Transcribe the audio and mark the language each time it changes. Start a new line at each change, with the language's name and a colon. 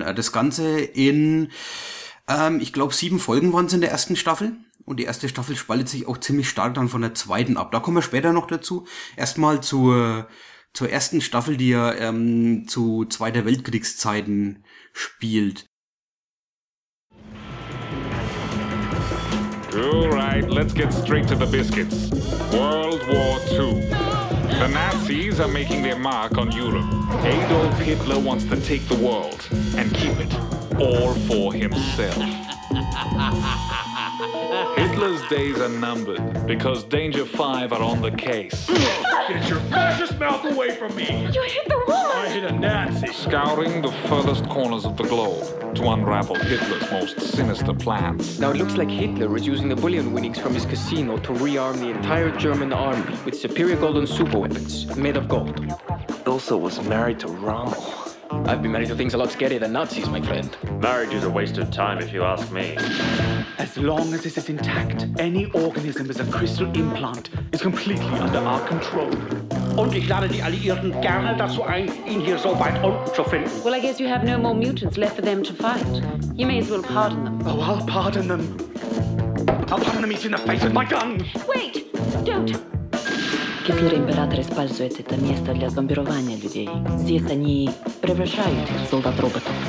German: Das Ganze in, ich glaube, 7 Folgen waren es in der ersten Staffel. Und die erste Staffel spaltet sich auch ziemlich stark dann von der zweiten ab. Da kommen wir später noch dazu. Erstmal zur ersten Staffel, die ja zu Zweiter Weltkriegszeiten spielt.
English: Alright, let's get straight to the biscuits. World War II. The Nazis are making their mark on Europe. Adolf Hitler wants to take the world and keep it all for himself. Hitler's days are numbered because Danger 5 are on the case. Get your fascist mouth away from me! You hit the woman! I hit a Nazi! Scouring the furthest corners of the globe to unravel Hitler's most sinister plans. Now it looks like Hitler is using the bullion winnings from his casino to rearm the entire German army with superior golden super weapons made of gold. Ilse was married to Rommel. I've been married to things a lot scarier than Nazis, my friend. Marriage is a waste of time, if you ask me. As long as this is intact, any organism as a crystal implant is completely under our control.
German: Und ich lade die Alliierten gerne dazu ein, ihn hier so weit unten zu finden.
English: Well, I guess you have no more mutants left for them to fight. You may as well pardon them. Oh, I'll pardon them. I'll pardon them each in the face with my gun! Wait! Don't!
Russian: Гитлер император использует это место для зомбирования людей. Здесь они превращают их в солдат-роботов.